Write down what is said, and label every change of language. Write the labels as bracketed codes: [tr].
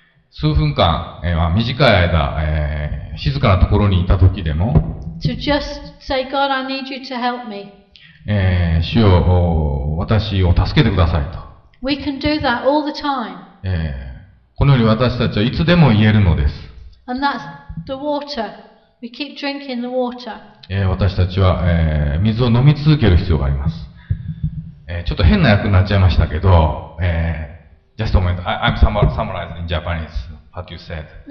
[ja] 数分間、短い間、静かなところにいたときでも、 [en] to just say, God, I need you to help me. [ja] 主よ、私を助けてくださいと。 [en] We can do that all the time. [ja] このように私たちはいつでも言えるのです。 [en] And that's the water. We keep drinking the water. [ja] 私たちは、水を飲み続ける必要があります。ちょっと変な訳になっちゃいましたけど、 [en] Just a moment. I'm summarizing in Japanese what you said.